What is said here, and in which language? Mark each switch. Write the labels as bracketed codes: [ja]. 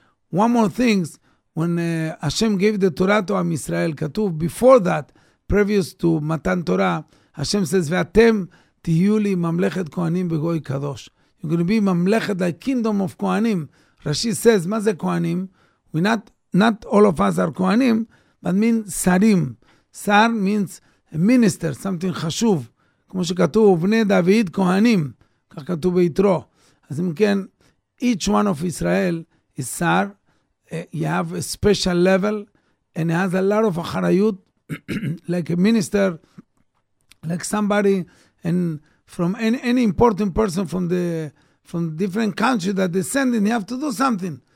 [en] One more thing, when Hashem gave the Torah to Am Yisrael, Ketuv, before that, previous to Matan Torah, Hashem says, [he] Ve'atem tihyu li mamlechet kohanim begoy kadosh. [en] You're going to be mamlechet, like kingdom of kohanim. Rashi says, [he] ma ze kohanim? [en] We not all of us are kohanim, but means sarim. Sar means a minister, something chashuv. [he] כמו שכתוב, בני דוד כהנים, כך כתוב ביתרו. אז אם כן, [en] each one of Israel is sar, you have a special level, and has a lot of אחריות, like a minister, like somebody, and from any important person from different country that they send in, you have to do something.